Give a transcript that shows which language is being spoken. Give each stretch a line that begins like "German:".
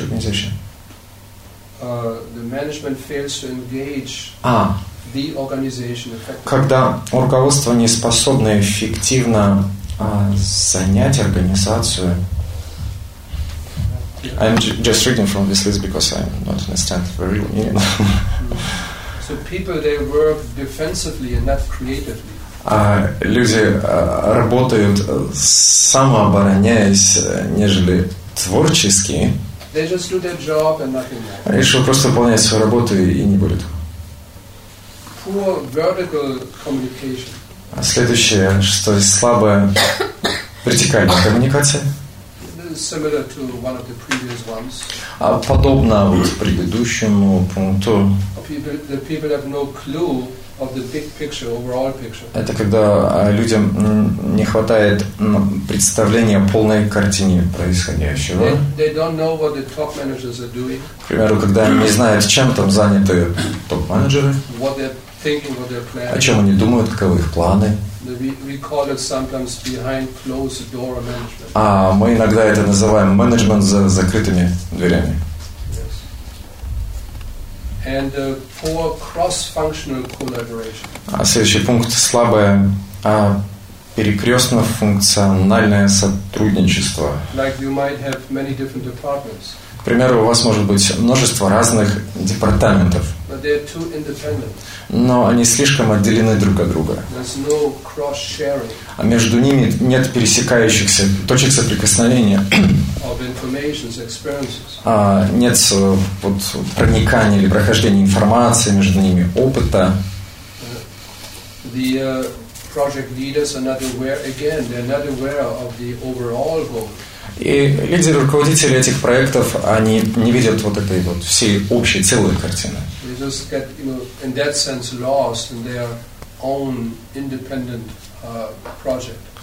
English: The management fails to engage the organization effectively.
Russian: Когда руководство не способно эффективно занять организацию.
English: I'm just reading from this list because I don't understand very well. So people, they work defensively and not creatively.
Russian: Люди работают самообороняясь, нежели творчески.
English: They just do their job and nothing more.
Russian: Решил просто выполнять свою работу и не будет.
English: Poor vertical communication.
Russian: Следующее, что слабая вертикальная коммуникация.
English: Similar to one of the previous ones.
Russian: Подобно вот предыдущему пункту.
English: People have no clue of the big picture, overall picture.
Russian: Это когда людям не хватает представления о полной картине происходящего.
English: They don't know what the top managers are doing.
Russian: К примеру, когда они не знают, чем там заняты топ-менеджеры.
English: What they're thinking, what they're planning.
Russian: О чем они думают, каковы их планы.
English: We call it sometimes behind closed door management.
Russian: Мы иногда это называем менеджмент за закрытыми дверями.
English: And poor cross-functional collaboration.
Russian: Следующий пункт – слабое перекрестно-функциональное сотрудничество.
English: Like you might have many different departments.
Russian: К примеру, у вас может быть множество разных департаментов.
English: But they're too independent.
Russian: Но они слишком отделены друг от друга.
English: There's no cross-sharing.
Russian: А между ними нет пересекающихся точек соприкосновения.
English: of information, experiences.
Russian: Нет вот, проникания или прохождения информации между ними, опыта.
English: The project leaders are not aware, again, they're not aware of the overall goal.
Russian: И лидеры, руководители этих проектов, они не видят вот этой вот всей общей, целой картины.
English: They just get, you know, in that sense lost in their own independent project.